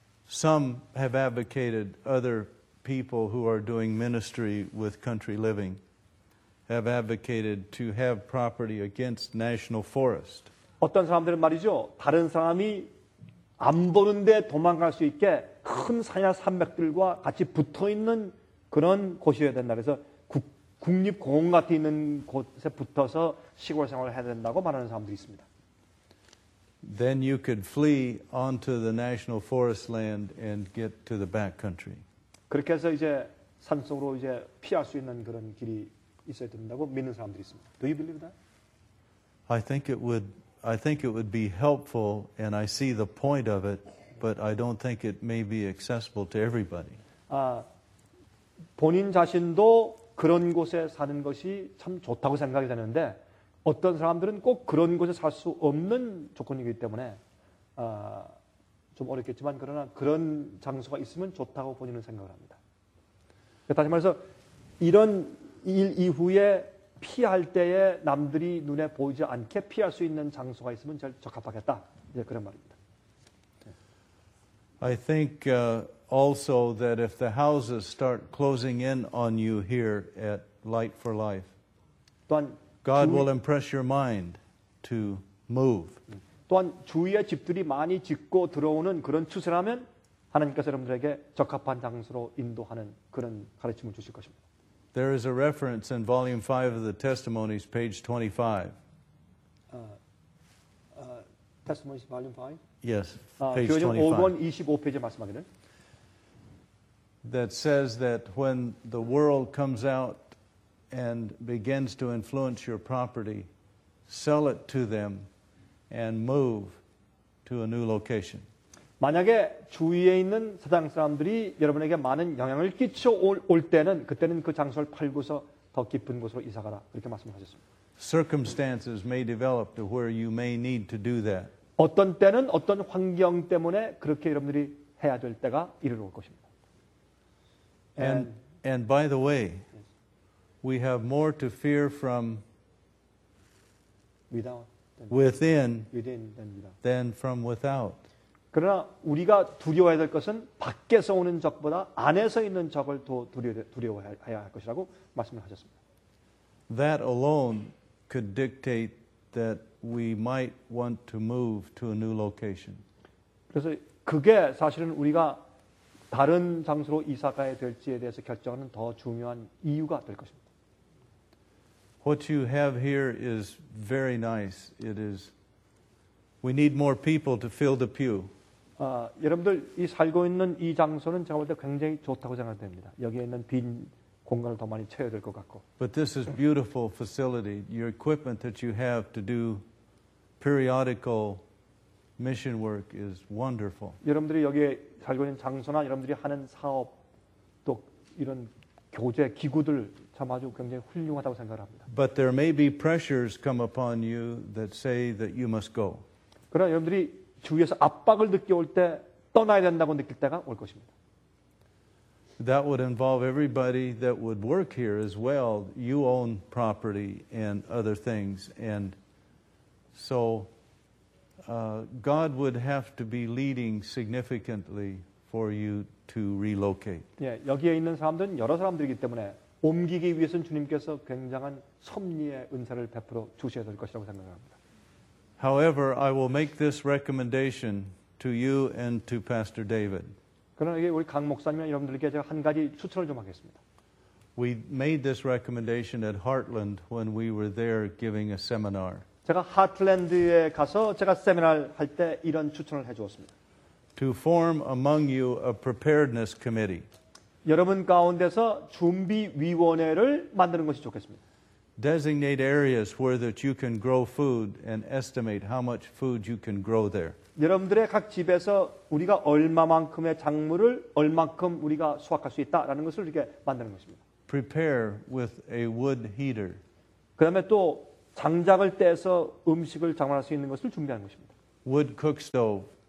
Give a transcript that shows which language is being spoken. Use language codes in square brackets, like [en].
[en] Some have advocated other people who are doing ministry with country living have advocated to have property against national forest. [ko] 어떤 사람들은 말이죠. 다른 사람이 안 보는데 도망갈 수 있게 큰 산이나 산맥들과 같이 붙어 있는 그런 곳이어야 된다. 그래서 국립공원 같은 있는 곳에 붙어서 시골 생활을 해야 된다고 말하는 사람들이 있습니다. [en] Then you could flee onto the national forest land and get to the back country. [ko] 그렇게 해서 이제 산 속으로 이제 피할 수 있는 그런 길이 있어야 된다고 믿는 사람들이 있습니다. [en] Do you believe that? I think it would be helpful and I see the point of it, but I don't think it may be accessible to everybody. [ko] 본인 자신도 그런 곳에 사는 것이 참 좋다고 생각이 되는데 어떤 사람들은 꼭 그런 곳에 살 수 없는 조건이기 때문에 좀 어렵겠지만 그러나 그런 장소가 있으면 좋다고 본인은 생각을 합니다. 다시 말해서 이런 일 이후에 피할 때에 남들이 눈에 보이지 않게 피할 수 있는 장소가 있으면 제일 적합하겠다. 이제 그런 말입니다. [en] I think also that if the houses start closing in on you here at Light for Life, God will impress your mind to move. [ko] 또한 주위에 집들이 많이 짓고 들어오는 그런 추세라면 하나님께서 여러분들에게 적합한 장소로 인도하는 그런 가르침을 주실 것입니다. [en] There is a reference in Volume 5 of the Testimonies, page 25. Testimonies, Volume 5? Yes, page [ko] 25. 5권 25페이지 말씀하기를. [en] That says that when the world comes out and begins to influence your property, sell it to them and move to a new location. [ko] 만약에 주위에 있는 세상 사람들이 여러분에게 많은 영향을 끼쳐 올 때는 그때는 그 장소를 팔고서 더 깊은 곳으로 이사 가라 그렇게 말씀하셨습니다. [en] Circumstances may develop to where you may need to do that. [ko] 어떤 때는 어떤 환경 때문에 그렇게 여러분들이 해야 될 때가 이르러 올 것입니다. [en] And by the way, we have more to fear from within than from without. [ko] 그러나 우리가 두려워해야 될 것은 밖에서 오는 적보다 안에서 있는 적을 더 두려워해야 할 것이라고 말씀을 하셨습니다. [en] That alone could dictate that we might want to move to a new location. [ko] 그래서 그게 사실은 우리가 다른 장소로 이사 가야 될지에 대해서 결정하는 더 중요한 이유가 될 것입니다. [en] What you have here is very nice. It is. We need more people to fill the pew. [ko] 여러분들 이 살고 있는 이 장소는 제가 볼 때 굉장히 좋다고 생각됩니다. 여기에 있는 빈 공간을 더 많이 채워야 될 것 같고. [en] But this is beautiful facility. Your equipment that you have to do periodical Mission work is wonderful. [ko] 여러분들이 여기에 살고 있는 장소나 여러분들이 하는 사업 또 이런 교재 기구들 참 아주 굉장히 훌륭하다고 생각합니다. [en] But there may be pressures come upon you that say that you must go. [ko] 그러나 여러분들이 주위에서 압박을 느끼 올 때 떠나야 된다고 느낄 때가 올 것입니다. [en] That would involve everybody that would work here as well. You own property and other things, and so God would have to be leading significantly for you to relocate. [ko] 예, 여기에 있는 사람들은 여러 사람들이기 때문에 옮기기 위해서는 주님께서 굉장한 섭리의 은사를 베풀어 주셔야 될 것이라고 생각합니다. [en] However, I will make this recommendation to you and to Pastor David. [ko] 그러나 이게 우리 강 목사님이나 여러분들께 제가 한 가지 추천을 좀 하겠습니다. [en] We made this recommendation at Heartland when we were there giving a seminar. [ko] 제가 하틀랜드에 가서 제가 세미나를 할 때 이런 추천을 해주었습니다. [en] To form among you a preparedness committee. [ko] 여러분 가운데서 준비위원회를 만드는 것이 좋겠습니다. [en] Designate areas where that you can grow food and estimate how much food you can grow there. [ko] 여러분들의 각 집에서 우리가 얼마만큼의 작물을 얼마큼 우리가 수확할 수 있다라는 것을 이렇게 만드는 것입니다. [en] Prepare with a wood heater. [ko] 그 다음에 또 장작을 떼서 음식을 장만할 수 있는 것을 준비하는 것입니다. [en] Wood cook stove.